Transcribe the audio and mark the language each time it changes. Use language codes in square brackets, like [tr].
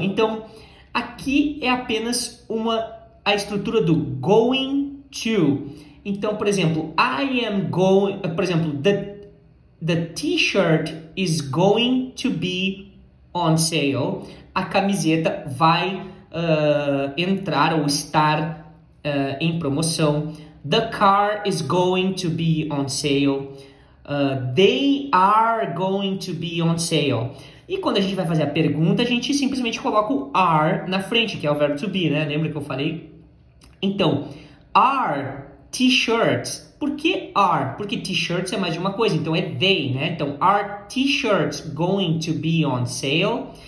[pt] Então, aqui é apenas a estrutura do going to. Então, por exemplo, [en] I am going, [pt] por exemplo, [en] the t-shirt is going to be on sale. [pt] A camiseta vai entrar ou estar em promoção. [en] The car is going to be on sale. They are going to be on sale. [pt] E quando a gente vai fazer a pergunta, a gente simplesmente coloca o are na frente, que é o verbo to be, né? Lembra que eu falei? Então, are t-shirts. Por que are? Porque t-shirts é mais de uma coisa, então é they, né? Então, [en] are t-shirts going to be on sale?